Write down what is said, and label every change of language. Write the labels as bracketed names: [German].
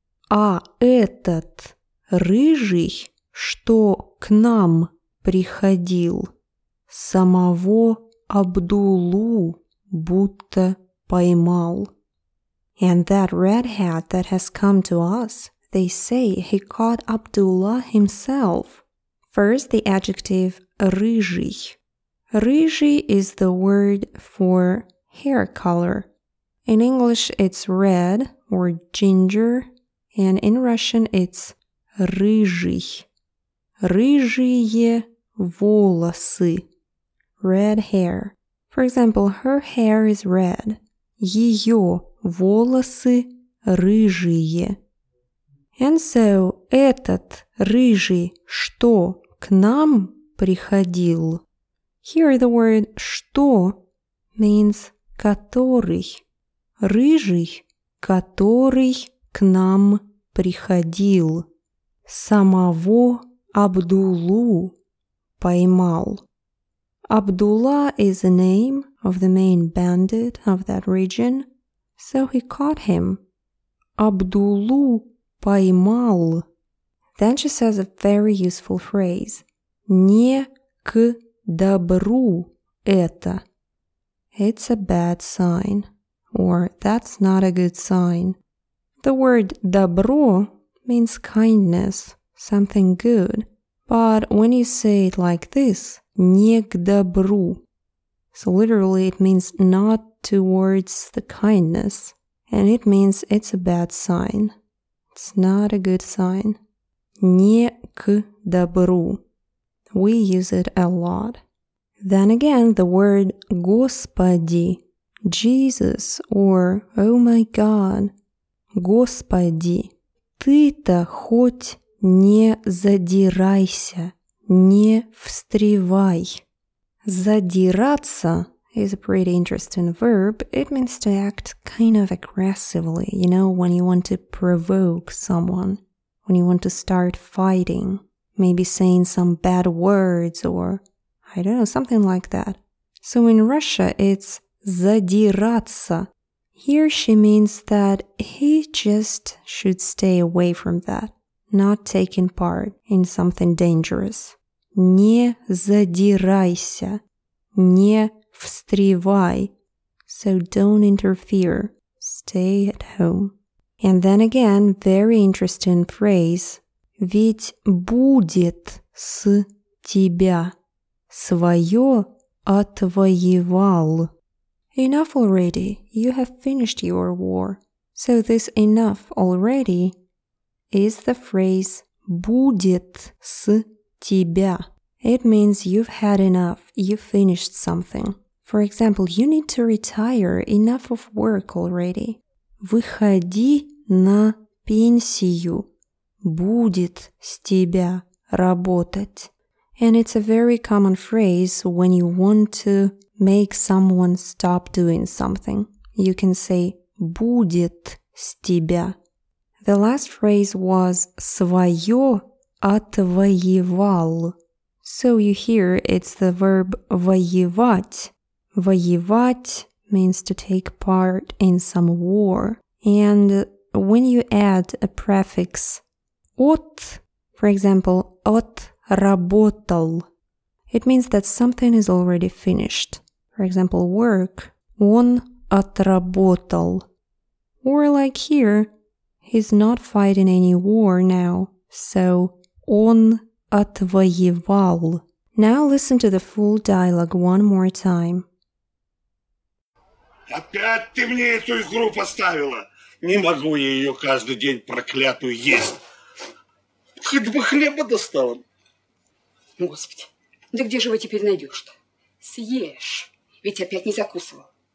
[Russian] А этот рыжий, что к нам приходил, самого Абдулу будто поймал. [English] And that red hat that has come to us, they say he caught Абдуллах himself. First, the adjective рыжий. Рыжий is the word for hair color. In English, it's red or ginger, and in Russian, it's рыжий. [Russian] Рыжие волосы. [English] Red hair. For example, her hair is red. [Russian] Её волосы рыжие. [English] And so, [Russian] этот рыжий, что к нам приходил. [English] Here the word что means который. [Russian] Рыжий, который к нам приходил, самого Абдулу поймал. [English] Абдулла is the name of the main bandit of that region, so he caught him. [Russian] Абдулу поймал. [English] Then she says a very useful phrase. [Russian] Не к добру это. [English] It's a bad sign. Or, that's not a good sign. The word добро means kindness, something good. But when you say it like this, [Russian] не к добру. [English] So literally it means not towards the kindness. And it means it's a bad sign. It's not a good sign. [Russian] Не к добру. [English] We use it a lot. Then again, the word Господи. Jesus, or, oh my God, [Russian] Господи, ты-то хоть не задирайся, не встревай. [English] Задираться is a pretty interesting verb. It means to act kind of aggressively, you know, when you want to provoke someone, when you want to start fighting, maybe saying some bad words or, I don't know, something like that. So in Russia, it's задираться. Here she means that he just should stay away from that, not taking part in something dangerous. [Russian] Не задирайся. Не встревай. [English] So don't interfere. Stay at home. And then again, very interesting phrase. [Russian] Ведь будет с тебя. Своё отвоевал. [English] Enough already. You have finished your war. So this enough already is the phrase [Russian] будет с тебя. [English] It means you've had enough, you've finished something. For example, you need to retire, enough of work already. [Russian] Выходи на пенсию, будет с тебя работать. [English] And it's a very common phrase when you want to make someone stop doing something. You can say [Russian] будет с тебя. [English] The last phrase was своё отвоевал. So you hear it's the verb воевать. Воевать means to take part in some war. And when you add a prefix от, for example, отработал, it means that something is already finished. For example, work. [Russian] Он отработал. [English] Or like here, he's not fighting any war now. So, [Russian] он отвоевал. [English] Now listen to the full dialogue one more time. [Russian] Опять ты мне эту игру поставила? Не могу я ее каждый день проклятую есть. Хоть бы хлеба достала. Господи, да где же вы теперь найдешь-то? Съешь, ведь опять не закусывал.